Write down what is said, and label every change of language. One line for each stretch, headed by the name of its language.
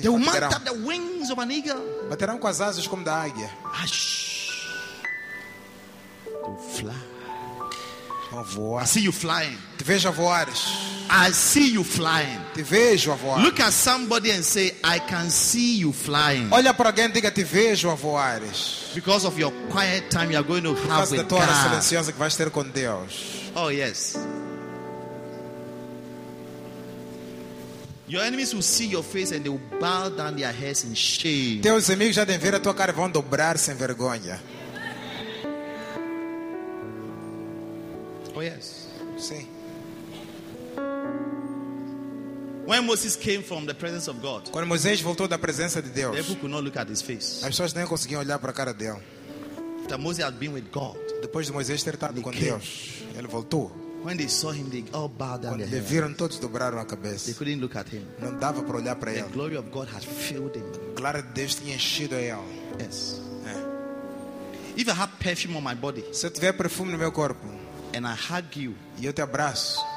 English: They will mount up the wings of an eagle.
Portuguese: Baterão com as asas como da águia.
English: Ash. They will fly.
Portuguese: Vão voar.
English: I see you flying.
Portuguese: Te vejo a voares.
English: I see you flying.
Portuguese: Te vejo a voar.
English: Look at somebody and say, I can see you flying.
Portuguese: Olha para alguém e diga, te vejo a voares.
English: Because of your quiet time, you are going to have with God.
Portuguese: Por causa da tua hora silenciosa que vais ter com Deus.
English: Oh yes. Your enemies will see your face and they will bow down their heads in shame.
Portuguese: Teus inimigos já devem ver a tua cara e vão dobrar sem vergonha.
English: Oh yes.
Portuguese: Sim.
English: When Moses came from the presence of God,
Portuguese: quando Moisés voltou da presença de Deus,
English: the people could not look at his face.
Portuguese: As pessoas nem conseguiam olhar para a cara dele.
English: After Moses had been with God,
Portuguese: depois de Moisés ter estado com Deus, ele voltou.
English: When they saw him, they all bowed down.
Portuguese: Quando viram, todos dobraram a cabeça.
English: They couldn't look at him.
Portuguese: Não dava para olhar para ele.
English: The glory of God had filled him.
Portuguese: A glória de Deus tinha enchido ele.
English: Yes.
Portuguese: É.
English: If I have perfume on my body,
Portuguese: se eu tiver perfume no meu corpo,
English: and I hug you,
Portuguese: e eu te abraço,